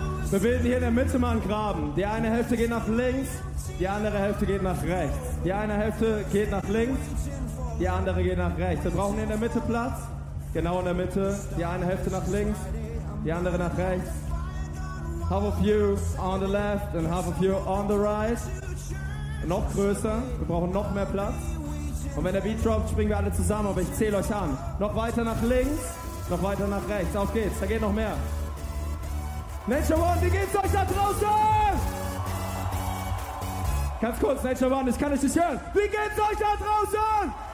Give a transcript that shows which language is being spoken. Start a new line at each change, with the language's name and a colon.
German: Wir bilden hier in der Mitte mal einen Graben. Die eine Hälfte geht nach links, die andere Hälfte geht nach rechts. Die eine Hälfte geht nach links, die andere geht nach rechts. Wir brauchen in der Mitte Platz, genau in der Mitte. Die eine Hälfte nach links, die andere nach rechts.
English: Half of you on the left and half of you on the right.
German: Noch größer, wir brauchen noch mehr Platz. Und wenn der Beat droppt, springen wir alle zusammen, aber ich zähle euch an. Noch weiter nach links, noch weiter nach rechts. Auf geht's, da geht noch mehr. Nature One, wie geht's euch da draußen? Ganz kurz, Nature One, ich kann euch nicht hören. Wie geht's euch da draußen?